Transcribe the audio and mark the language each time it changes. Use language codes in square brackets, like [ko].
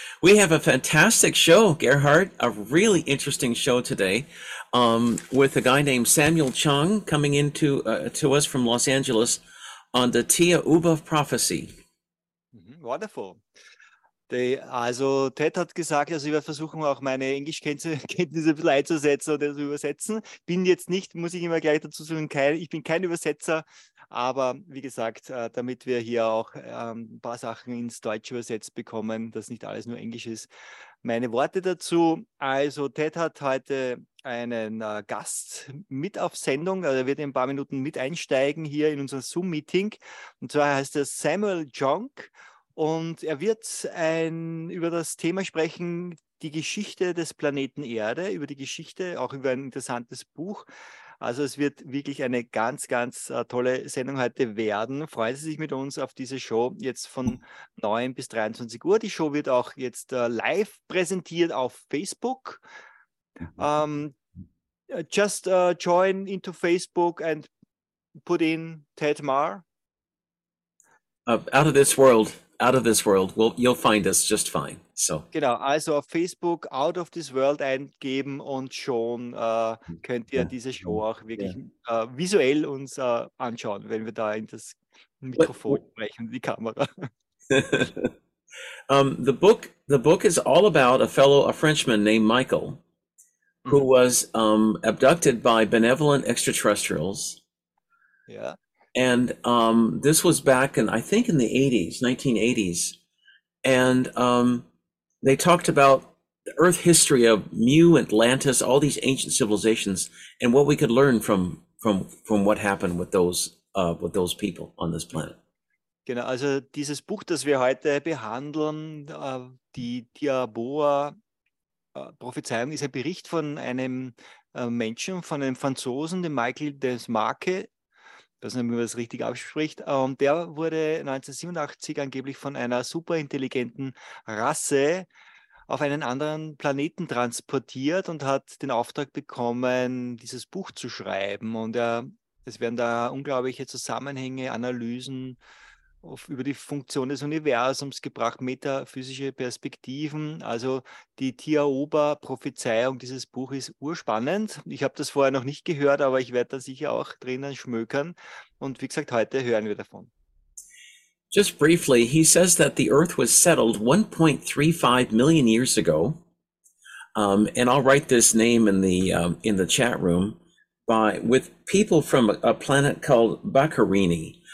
[en] We have a fantastic show, Gerhard, a really interesting show today, with a guy named Samuel Chung coming into to us from Los Angeles on the Tia Uba prophecy. Wonderful. [de] Also Ted hat gesagt, also ich werde versuchen, auch meine Englischkenntnisse ein bisschen einzusetzen oder zu übersetzen. Bin jetzt nicht, muss ich immer gleich dazu sagen, ich bin kein Übersetzer, aber wie gesagt, damit wir hier auch ein paar Sachen ins Deutsche übersetzt bekommen, dass nicht alles nur Englisch ist. Meine Worte dazu, also Ted hat heute einen Gast mit auf Sendung, also er wird in ein paar Minuten mit einsteigen hier in unser Zoom-Meeting. Und zwar heißt er Samuel Chung. Und er wird über das Thema sprechen, die Geschichte des Planeten Erde, über die Geschichte, auch über ein interessantes Buch. Also es wird wirklich eine ganz, ganz tolle Sendung heute werden. Freuen Sie sich mit uns auf diese Show jetzt von 9 bis 23 Uhr. Die Show wird auch jetzt live präsentiert auf Facebook. [en] Just join into Facebook and put in Ted Marr. Out of this world. Out of this world, well, you'll find us just fine. So [de] genau, also auf Facebook Out of This World eingeben und schon könnt ihr diese Show auch wirklich visuell uns anschauen, wenn wir da in das Mikrofon sprechen, die Kamera. [en] the book is all about a Frenchman named Michael, who was abducted by benevolent extraterrestrials. Yeah. And this was back in, I think, in the 80s, 1980s. And they talked about the Earth history of Mu, Atlantis, all these ancient civilizations, and what we could learn from what happened with those people on this planet. [de] Genau, also dieses Buch, das wir heute behandeln, die Diabora Prophezeiung, ist ein Bericht von einem Menschen, von einem Franzosen, dem Michael Desmarque. Ich weiß nicht, wie man das richtig ausspricht. Der wurde 1987 angeblich von einer superintelligenten Rasse auf einen anderen Planeten transportiert und hat den Auftrag bekommen, dieses Buch zu schreiben. Und es werden da unglaubliche Zusammenhänge, Analysen über die Funktion des Universums gebracht, metaphysische Perspektiven. Also die Tiaoba-Prophezeiung, dieses Buch ist urspannend. Ich habe das vorher noch nicht gehört, aber ich werde da sicher auch drinnen schmökern. Und wie gesagt, heute hören wir davon. [en] Just briefly, he says that the Earth was settled 1.35 million years ago. And I'll write this name in the chat room with people from a planet called Bakarini.